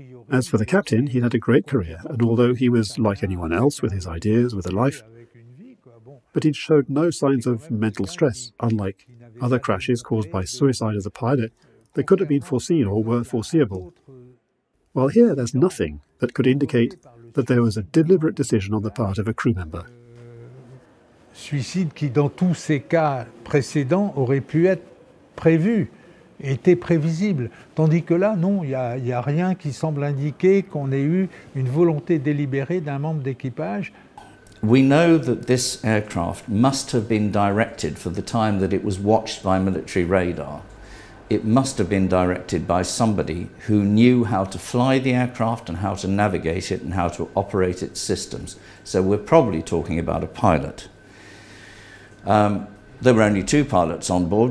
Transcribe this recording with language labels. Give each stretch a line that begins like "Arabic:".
English: As for the captain, he'd had a great career, and although he was like anyone else with his ideas, with a life, but he'd showed no signs of mental stress, unlike other crashes caused by suicide of the pilot that could have been foreseen or were foreseeable. While here, there's nothing that could indicate that there was a deliberate decision on the part of a crew member.
French: Suicide qui, dans tous ces cas précédents, aurait pu être prévu, était prévisible. Tandis que là, non, il y a rien qui semble indiquer qu'on ait eu une volonté délibérée d'un membre d'équipage.
English: We know that this aircraft must have been directed for the time that it was watched by military radar. It must have been directed by somebody who knew how to fly the aircraft and how to navigate it and how to operate its systems. So we're probably talking about a pilot. There were only two pilots on board.